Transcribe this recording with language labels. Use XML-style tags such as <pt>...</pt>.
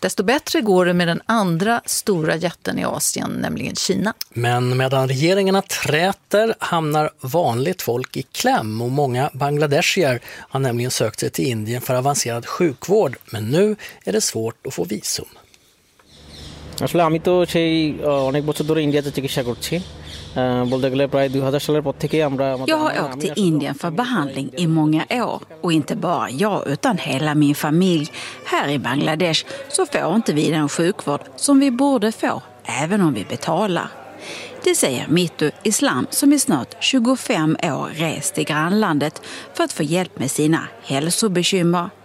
<sv>Desto bättre går det med den andra stora jätten i Asien, nämligen Kina. Men medan regeringarna träter hamnar vanligt folk i kläm och många bangladeshier har nämligen sökt sig till Indien för avancerad sjukvård. Men nu är det svårt att få visum.</sv> <bn>আসলে আমি তো সেই অনেক বছর ধরে ইন্ডিয়াতে চিকিৎসা করছি বলতে গেলে প্রায় 2000 সালের পর থেকে আমরা</bn> <sv>Jag har åkt till Indien för behandling i många år och inte bara jag utan hela min familj här i Bangladesh så får inte vi den sjukvård som vi borde få även om vi betalar. Det säger Mittu Islam som är snart 25 år rest i grannlandet för att få hjälp med sina hälsobekymmer.</sv>